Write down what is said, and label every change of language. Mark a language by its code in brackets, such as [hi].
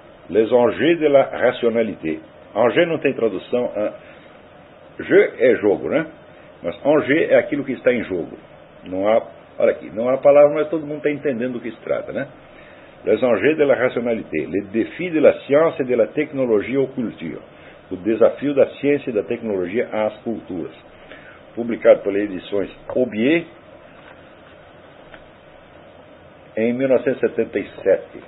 [fr] Les enjeux de la rationalité. [pt] Enjeux não tem tradução. Hein? Jeu é jogo, né? Mas enjeu é aquilo que está em jogo. Não há, olha aqui, não há palavra, mas todo mundo está entendendo do que se trata, né? [fr] Les enjeux de la rationalité. Les défis de la science et de la technologie aux cultures. [pt] O desafio da ciência e da tecnologia às culturas. Publicado pelas edições Aubier em 1977.